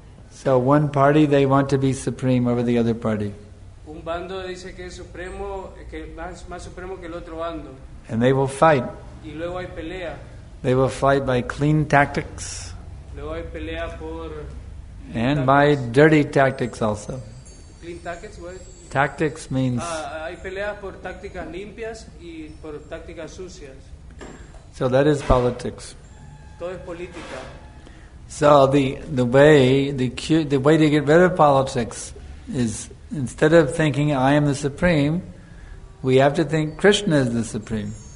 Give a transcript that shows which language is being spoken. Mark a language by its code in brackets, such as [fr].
[en] So one party, they want to be supreme over the other party. [es] Un bando dice que es supremo, que más más supremo que el otro bando. [en] And they will fight. [es] Y luego hay pelea. [en] They will fight by clean tactics. [es] Luego hay pelea por [en] and by dirty tactics also. Clean tactics, what? Tactics means. [es] Hay pelea por tácticas limpias y por tácticas sucias. [en] So that is politics. [es] Todo es política. [en] So the way to get rid of politics is instead of thinking I am the supreme, we have to think Krishna is the supreme.